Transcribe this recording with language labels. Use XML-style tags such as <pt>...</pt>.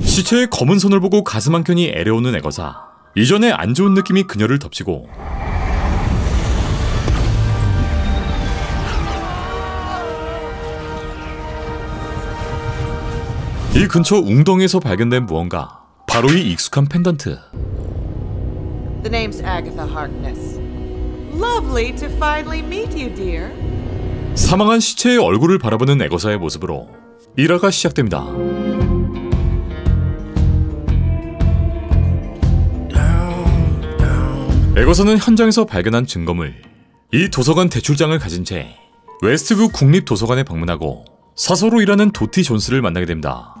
<ko>시체의 검은 손을 보고 가슴 한 켠이 애려오는 애거사. 이전에 안 좋은 느낌이 그녀를 덮치고, 이 근처 웅덩이에서 발견된 무언가, 바로 이 익숙한 펜던트.</ko> <en>The name's Agatha Harkness. Lovely to finally meet you, dear.</en> <ko>사망한 시체의 얼굴을 바라보는 애거사의 모습으로 일화가 시작됩니다. 애거사는 현장에서 발견한 증거물, 이 도서관 대출장을 가진 채 웨스트뷰 국립도서관에 방문하고 사서로 일하는 도티 존스를 만나게 됩니다.</ko>